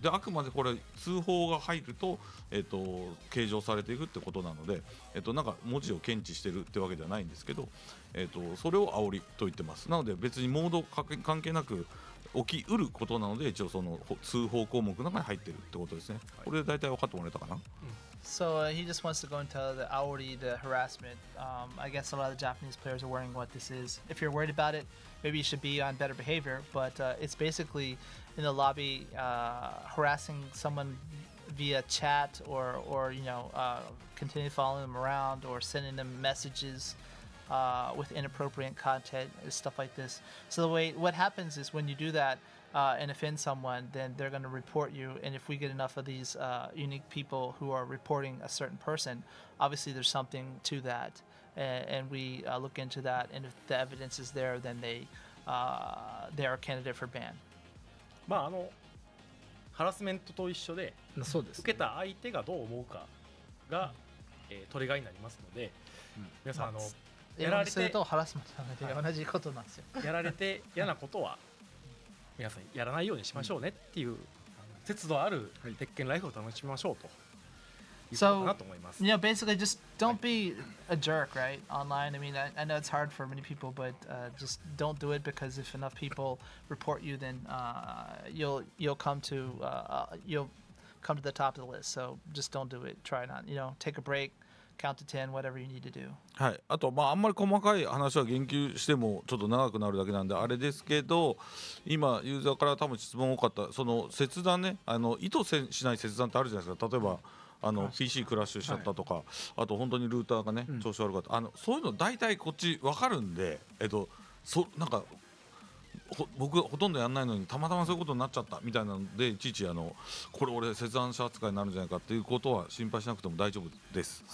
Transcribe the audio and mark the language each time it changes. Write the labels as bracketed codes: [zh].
[ja] であくまでこれ通報が入ると、計上されていくってことなので、なんか文字を検知してるってわけではないんですけど、それを煽りと言ってます。なので別にモード関係なく起きうることなので、一応その通報項目の中に入ってるってことですね。これで大体分かってもらえたかな。 [en] So he just wants to go into the aori, the harassment. I guess a lot of the Japanese players are wondering what this is. If you're worried about it, maybe you should be on better behavior. But it's basically in the lobby harassing someone via chat or you know, continue following them around or sending them messages with inappropriate content, stuff like this. So the way what happens is when you do that, and offend someone, then they're going to report you. And if we get enough of these unique people who are reporting a certain person, obviously there's something to that. And we look into that. And if the evidence is there, then they are a candidate for ban. [ja] まあ、あのハラスメントと一緒で、そうです、受けた相手がどう思うかが、トリガーになりますので、皆さん、やられてとハラスメントで同じことなんですよ。やられて嫌なことは皆さんやらないようにしましょうねっていう節度ある鉄拳ライフを楽しみましょうということかなと思います。 [en] So, you know, basically just don't be a jerk, right? Online, I mean, I know it's hard for many people, but just don't do it, because if enough people report you, then you'll come to the top of the list. So just don't do it. Try not, you know, take a break. Count to 10, whatever you need to do. [ja] はい、あと、まあ、あんまり細かい話は言及してもちょっと長くなるだけなんであれですけど、今ユーザーから多分質問多かった、その切断ね、あの意図しない切断ってあるじゃないですか。例えばあの PC クラッシュしちゃったとか、はい、あと本当にルーターがね調子悪かった、うん、あのそういうの大体こっち分かるんで、なんか僕ほとんどやんないのにたまたまそういうことになっちゃったみたいなので、いちいちあのこれ俺切断者扱いになるんじゃないかっていうことは心配しなくても大丈夫です。